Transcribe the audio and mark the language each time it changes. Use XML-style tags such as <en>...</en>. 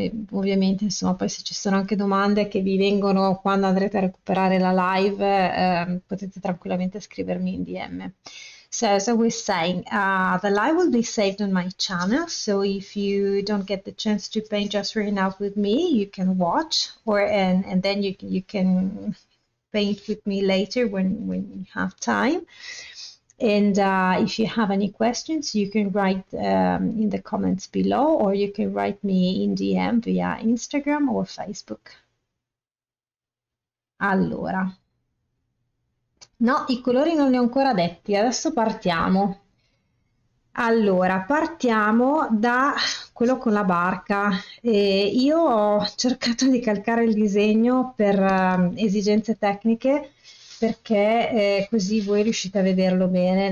<it>Ovviamente, insomma, poi se ci sono anche domande che vi vengono quando andrete a recuperare la live, potete tranquillamente scrivermi in DM.</it> <en>So, as I was saying, the live will be saved on my channel. So, if you don't get the chance to paint just right now with me, you can watch, and then you can paint with me later when you have time. And if you have any questions, you can write in the comments below, or you can write me in DM via Instagram or Facebook.</en> <it>Allora, no, i colori non li ho ancora detti, adesso partiamo. Allora, partiamo da quello con la barca. Io ho cercato di calcare il disegno per esigenze tecniche, perché così voi riuscite a vederlo bene.</it>